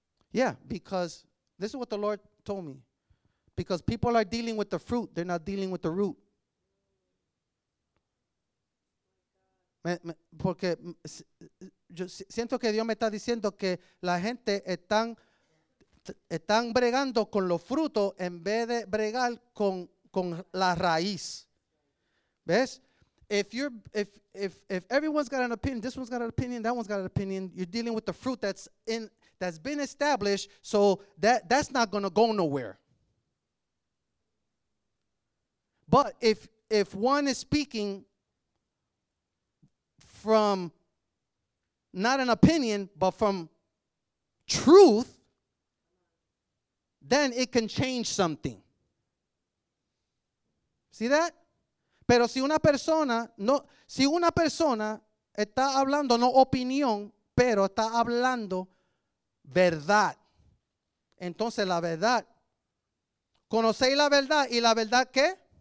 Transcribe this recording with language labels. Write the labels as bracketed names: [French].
[English] Yeah, because this is what the Lord told me. Because people are dealing with the fruit, they're not dealing with the root. [Spanish] Porque yo siento que Dios me está diciendo que la gente están bregando con los frutos en vez de bregar con la raíz. ¿Ves? [English] If everyone's got an opinion, this one's got an opinion, that one's got an opinion, you're dealing with the fruit that's been established, so that's not going to go nowhere. But if one is speaking from not an opinion, but from truth, then it can change something. See that? [Spanish] Pero si una persona está hablando no opinión, pero está hablando verdad, entonces la verdad, conocéis la verdad, y la verdad ¿qué?